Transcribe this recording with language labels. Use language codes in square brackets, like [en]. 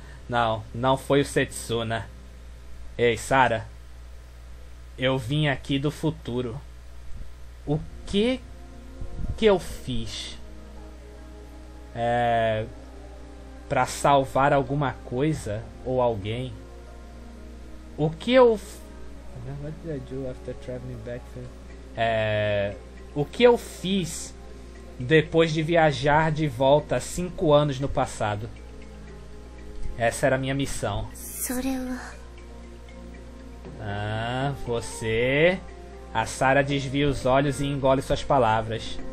[pt] Não, não foi o Setsuna. Ei, Sara. Eu vim aqui do futuro. O que que eu fiz? Pra salvar alguma coisa ou alguém? O que eu... [en] What did I do after traveling back to... [pt] O que eu fiz... Depois de viajar de volta 5 anos no passado. Essa era a minha missão. Ah, você... A Sara desvia os olhos e engole suas palavras.